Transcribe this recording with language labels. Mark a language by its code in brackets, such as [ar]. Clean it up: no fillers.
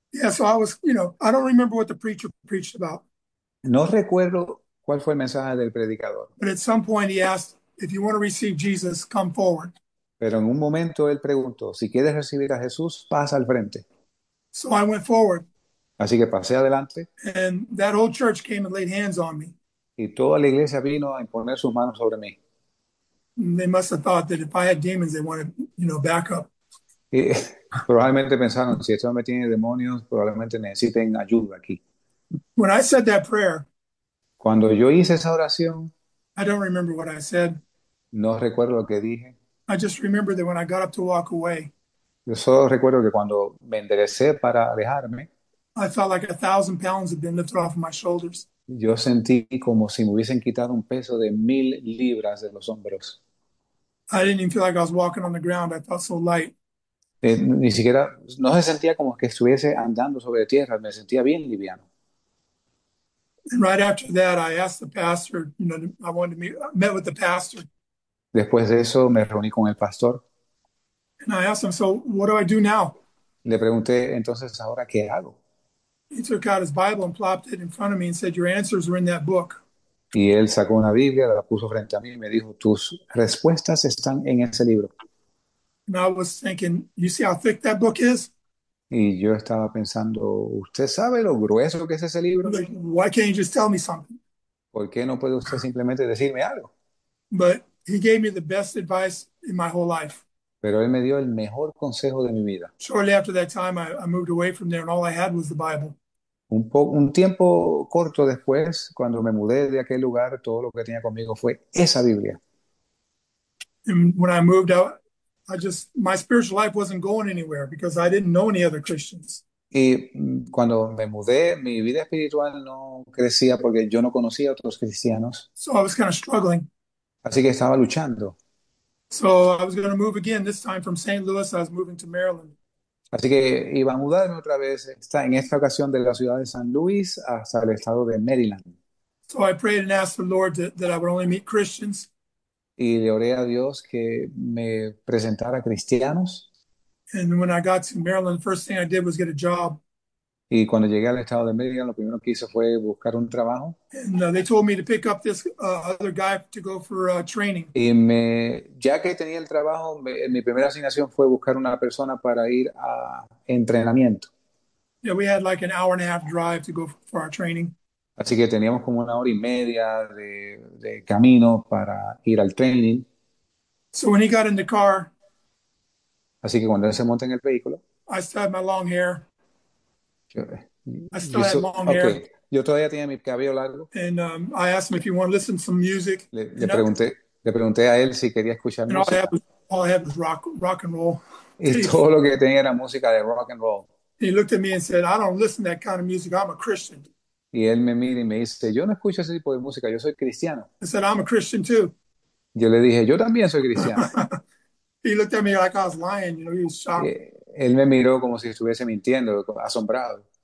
[en] So I was, I don't remember what the preacher preached about. [es] No recuerdo cuál fue el mensaje del predicador. [en] But at some point he asked, if you want to receive Jesus, come forward. [es] Pero en un momento él preguntó, si quieres recibir a Jesús, pasa al frente. [en] So I went forward. [es] Así que pasé adelante. [en] And that old church came and laid hands on me. [es] Y toda la iglesia vino a imponer sus manos sobre mí. [en] They must have thought that if I had demons, they wanted, backup. [es] Y probablemente pensaron, si este hombre tiene demonios, probablemente necesiten ayuda aquí. [en] When I said that prayer, [es] Cuando yo hice esa oración, [en] I don't remember what I said. [es] no recuerdo lo que dije. [en] I just remember that when I got up to walk away, [es] Yo solo recuerdo que cuando me enderecé para alejarme, [en] I felt like 1,000 pounds had been lifted off my shoulders. [es] yo sentí como si me hubiesen quitado un peso de 1.000 libras de los hombros. [en] I didn't even feel like I was walking on the ground. I felt so light. [es] Ni siquiera, no se sentía como que estuviese andando sobre tierra, me sentía bien liviano. [en] And right after that, I asked the pastor, I wanted to meet, I met with the pastor. [es] Después de eso me reuní con el pastor. [en] And I asked him, so what do I do now? [es] Le pregunté, entonces, ¿ahora qué hago? [en] He took out his Bible and plopped it in front of me and said, your answers are in that book. [es] Y él sacó una Biblia, la puso frente a mí y me dijo, tus respuestas están en ese libro. [en] And I was thinking, you see how thick that book is? [es] Y yo estaba pensando, ¿usted sabe lo grueso que es ese libro? [en] Like, why can't you just tell me something? [es] ¿Por qué no puede usted simplemente decirme algo? [en] But he gave me the best advice in my whole life. [es] Pero él me dio el mejor consejo de mi vida. [en] Shortly after that time, I moved away from there, and all I had was the Bible. [es] Un tiempo corto después, cuando me mudé de aquel lugar, todo lo que tenía conmigo fue esa Biblia. [en] And when I moved out, my spiritual life wasn't going anywhere because I didn't know any other Christians. [es] Y cuando me mudé, mi vida espiritual no crecía porque yo no conocía a otros cristianos. [en] So I was kind of struggling. [es] Así que estaba luchando. [en] So I was going to move again, this time from St. Louis, I was moving to Maryland. [es] Así que iba a mudarme otra vez, en esta ocasión de la ciudad de San Luis hasta el estado de Maryland. [en] So I prayed and asked the Lord that I would only meet Christians. [es] Y le oré a Dios que me presentara cristianos. [en] And when I got to Maryland, the first thing I did was get a job. [es] Y cuando llegué al estado de Maryland, lo primero que hice fue buscar un trabajo. [en] And they told me to pick up this other guy to go for training. [es] Y ya que tenía el trabajo, mi primera asignación fue buscar una persona para ir a entrenamiento. [en] Yeah, we had like an hour and a half drive to go for our training. [es] Así que teníamos como una hora y media de camino para ir al training. [en] So when he got in the car, [es] Así que cuando él se monta en el vehículo, [en] I still had my long hair. I still [es] yo [en] had so, long hair. [es] okay, yo todavía tenía mi cabello largo. [en] And I asked him if he wanted to listen to some music. And [es] Le pregunté a él si quería escuchar música. [en] all I had was rock and roll [es] Y todo [en] tapes. [es] lo que tenía era música de rock and roll. [en] He looked at me and said, "I don't listen to that kind of music. I'm a Christian." [es] Y él me mira y me dice, yo no escucho ese tipo de música, yo soy cristiano. [en] I said, "I'm a Christian too." [es] Yo le dije, yo también soy cristiano. [en] He looked at me like I was lying. You know, he was [es] Y [en] shocked. [es] él me miró como si estuviese mintiendo, asombrado.